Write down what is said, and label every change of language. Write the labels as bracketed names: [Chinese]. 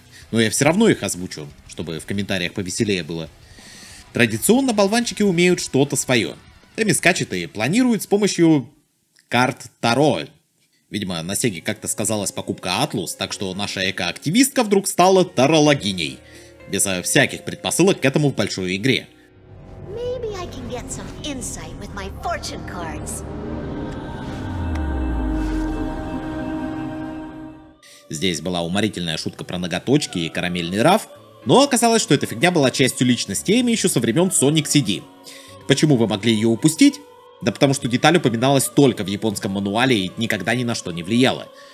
[Russian] Но я все равно их озвучу, чтобы в комментариях повеселее было. Традиционно болванчики умеют что-то свое. Эми скачет и планирует с помощью... карт Таро. Видимо, на Сеге как-то сказалась покупка Атлус, так что наша эко-активистка вдруг стала тарологиней. Без всяких предпосылок к этому в большой игре. [English] Maybe I can get some insight with my fortune cards. [Russian] Здесь была уморительная шутка про ноготочки и карамельный раф, но оказалось, что эта фигня была частью личности Эми еще со времен Sonic CD. Почему вы могли ее упустить? Да потому что деталь упоминалась только в японском мануале и никогда ни на что не влияла.